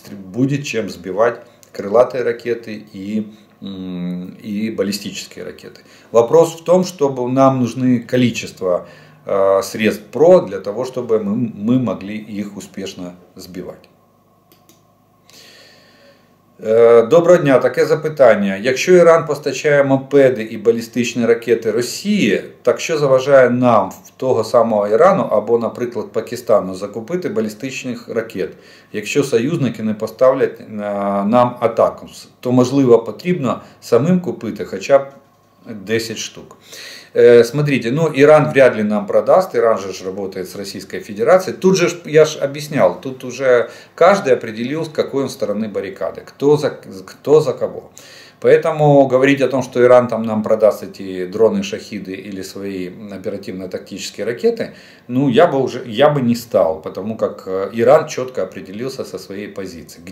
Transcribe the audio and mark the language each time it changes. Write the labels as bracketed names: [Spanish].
[Russian] Будет чем сбивать крылатые ракеты и баллистические ракеты. Вопрос в том, чтобы нам нужны количество средств ПРО для того, чтобы мы могли их успешно сбивать. [Ukrainian] Доброго дня. Таке запитання. Якщо Іран постачає мопеди і балістичні ракети Росії, так що заважає нам, того самого Ірану або, наприклад, Пакистану, закупити балістичних ракет, якщо союзники не поставлять нам атаку, то, можливо, потрібно самим купити хоча б 10 штук. [Russian] Смотрите, ну, Іран вряд ли нам продаст, Іран же ж работает с Российской Федерацией. Тут же, я ж объяснял, тут уже каждый определил, с какой он стороны баррикады, кто за кого. Поэтому говорить о том, что Иран там нам продаст эти дроны «Шахиды» или свои оперативно-тактические ракеты, ну, я бы не стал, потому как Иран четко определился со своей позицией.